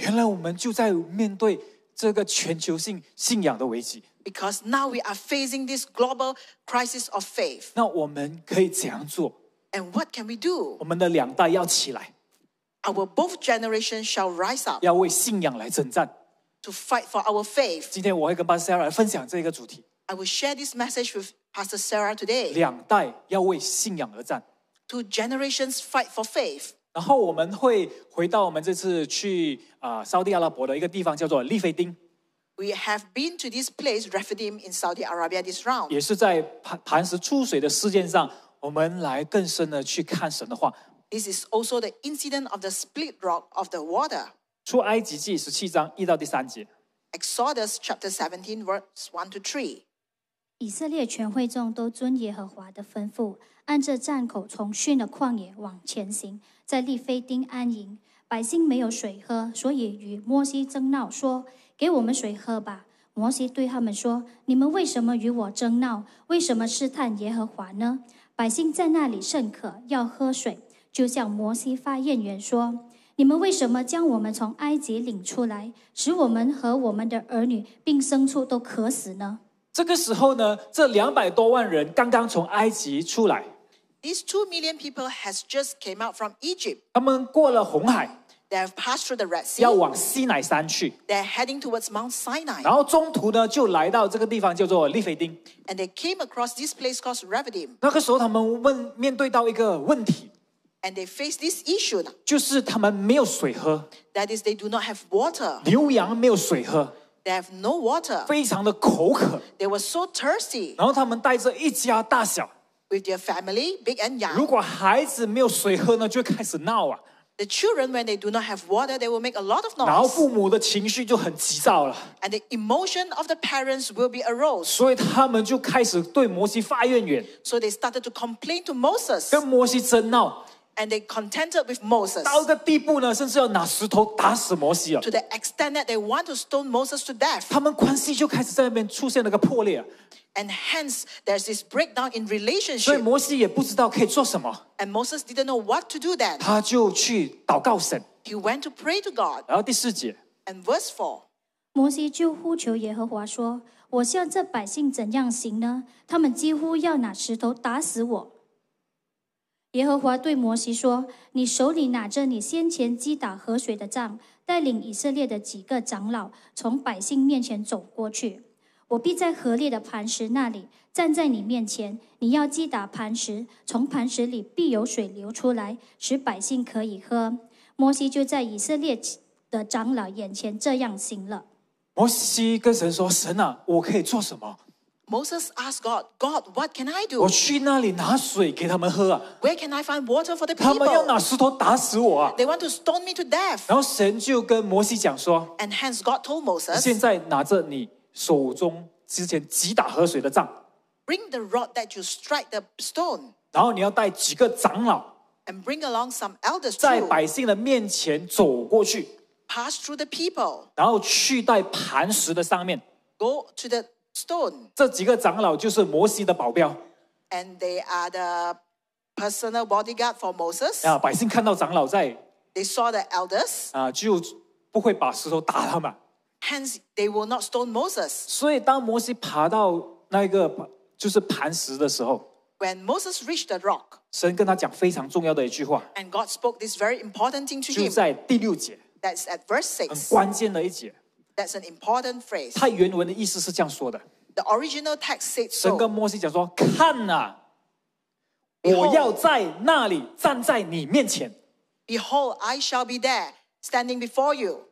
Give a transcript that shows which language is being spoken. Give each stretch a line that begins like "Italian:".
Chinese: 原来我们就在面对这个全球性信仰的危机。
English: Because now we are facing this global crisis of faith.
Chinese: 那我们可以怎样做？
English: And what can we do?
Chinese: 我们的两代要起来。
English: Our both generations shall rise up.
Chinese: 要为信仰来征战。
English: To fight for our faith.
Chinese: 今天我会跟 Pastor Sarah 来分享这个主题。
English: I will share this message with Pastor Sarah today.
Chinese: 两代要为信仰而战。
English: Two generations fight for faith.
Chinese: 然后我们会回到我们这次去沙特阿拉伯的一个地方，叫做利菲丁。
English: We have been to this place, Rephidim, in Saudi Arabia this round.
Chinese: 也是在磐石出水的事件上，我们来更深的去看神的话。
English: This is also the incident of the split rock of the water.
Chinese: 出埃及记十七章一到第三节。
English: Exodus chapter 17, verse 1 to 3.
Chinese: 以色列全会众都遵耶和华的吩咐，按着战口从逊的旷野往前行，在利非丁安营。百姓没有水喝，所以与摩西争闹说，给我们水喝吧。摩西对他们说，你们为什么与我争闹，为什么试探耶和华呢？百姓在那里甚渴，要喝水，就向摩西发怨言说，你们为什么将我们从埃及领出来，使我们和我们的儿女并牲畜都渴死呢？这个时候呢，这两百多万人刚刚从埃及出来。
English: These 2 million people has just came out from Egypt.
Chinese: 他们过了红海。
English: They have passed through the Red Sea.
Chinese: 要往西乃山去。
English: They're heading towards Mount Sinai.
Chinese: 然后中途呢，就来到这个地方叫做利非丁。
English: And they came across this place called Rephidim.
Chinese: 那个时候他们面对到一个问题。
English: And they face this issue.
Chinese: 就是他们没有水喝。
English: That is, they do not have water.
Chinese: 牛羊没有水喝。
English: They have no water.
Chinese: 非常的口渴。
English: They were so thirsty.
Chinese: 然后他们带着一家大小。
English: With their family, big and young.
Chinese: 如果孩子没有水喝呢，就开始闹啊。
English: The children, when they do not have water, they will make a lot of noise.
Chinese: 然后父母的情绪就很急躁了。
English: And the emotion of the parents will be aroused.
Chinese: 所以他们就开始对摩西发怨言。
English: So they started to complain to Moses.
Chinese: 跟摩西争闹。
English: And they contended with Moses.
Chinese: 到一个地步呢，甚至要拿石头打死摩西了。
English: To the extent that they want to stone Moses to death.
Chinese: 他们关系就开始在那边出现了个破裂。
English: And hence, there's this breakdown in relationship.
Chinese: 所以摩西也不知道可以做什么。
English: And Moses didn't know what to do then.
Chinese: 他就去祷告神。
English: He went to pray to God.
Chinese: 然后第四节。
English: And verse 4.
Chinese: 摩西就呼求耶和华说，我向这百姓怎样行呢？他们几乎要拿石头打死我。耶和华对摩西说，你手里拿着你先前击打河水的杖，带领以色列的几个长老从百姓面前走过去。我必在河裂的磐石那里站在你面前，你要击打磐石，从磐石里必有水流出来，使百姓可以喝。摩西就在以色列的长老眼前这样行了。摩西跟神说，神啊，我可以做什么？
English: Moses asked God, God, what can I do?
Chinese: 我去那里拿水给他们喝啊。
English: Where can I find water for the people?
Chinese: 他们要拿石头打死我啊。
English: They want to stone me to death.
Chinese: 然后神就跟摩西讲说，
English: And hence God told Moses,
Chinese: 现在拿着你手中之前击打河水的杖，
English: Bring the rod that you strike the stone.
Chinese: 然后你要带几个长老，
English: And bring along some elders too.
Chinese: 在百姓的面前走过去，
English: Pass through the people.
Chinese: 然后去在磐石的上面，
English: Go to the stone.
Chinese: 这几个长老就是摩西的保镖。
English: And they are the personal bodyguard for Moses.
Chinese: 啊，百姓看到长老在。
English: They saw the elders.
Chinese: 啊，就不会把石头打他们。
English: Hence, they will not stone Moses.
Chinese: 所以当摩西爬到那个就是磐石的时候。
English: When Moses reached the rock.
Chinese: 神跟他讲非常重要的一句话。
English: And God spoke this very important thing to him.
Chinese: 就在第六节。
English: That's at verse 6.
Chinese: 很关键的一节。
English: That's an important phrase.
Chinese: 它原文的意思是这样说的。
English: The original text said so.
Chinese: 神跟摩西讲说，看啊，
English: Behold,
Chinese: 我要在那里站在你面前。
English: Behold, I shall be there, standing before you.